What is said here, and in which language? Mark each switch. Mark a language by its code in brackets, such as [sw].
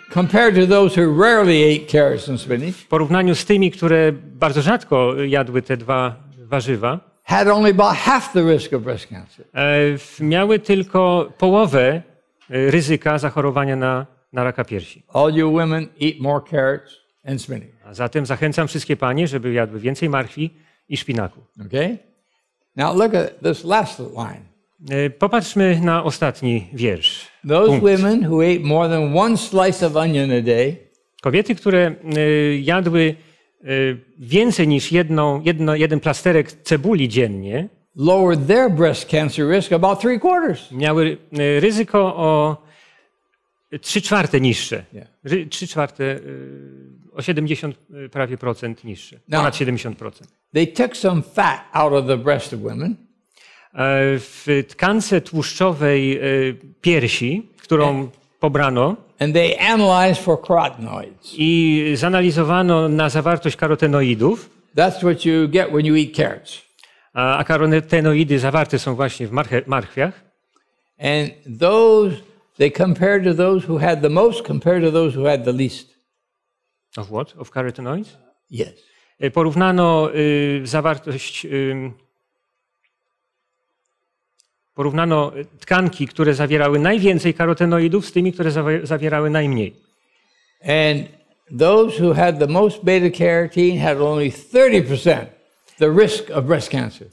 [en] compared to those who rarely ate carrots and spinach, [pl] w porównaniu z tymi, które bardzo rzadko jadły te dwa warzywa, [en] had only about half the risk of breast cancer. [pl] Miały tylko połowę ryzyka zachorowania na raka piersi. [en] All you women eat more carrots and spinach. [pl] A zatem zachęcam wszystkie panie, żeby jadły więcej marchwi i szpinaku. [en] Okay? Now look at this last line. [pl] Popatrzmy na ostatni wiersz. [en] Those women who ate more than one slice of onion a day. [pl] Kobiety, które jadły więcej niż jeden plasterek cebuli dziennie, [en] lowered their breast cancer risk about 3/4. [pl] Miały ryzyko o 3/4 niższe. 3/4 o 70 prawie procent niższe. Ponad 70%. [en] They took some fat out of the breast of women. [pl] W tkance tłuszczowej piersi, którą pobrano, [en] and they analyzed for carotenoids. [pl] I zanalizowano na zawartość karotenoidów. [en] That's what you get when you eat carrots. [pl] A karotenoidy zawarte są właśnie w marchwiach. [en] And those they compared to those who had the most compared to those who had the least. Of what? Of carotenoids? Yes. [pl] Porównano zawartość porównano tkanki, które zawierały najwięcej karotenoidów z tymi, które zawierały najmniej. [en] And those who had the most beta carotene had only 30% the risk of breast cancer.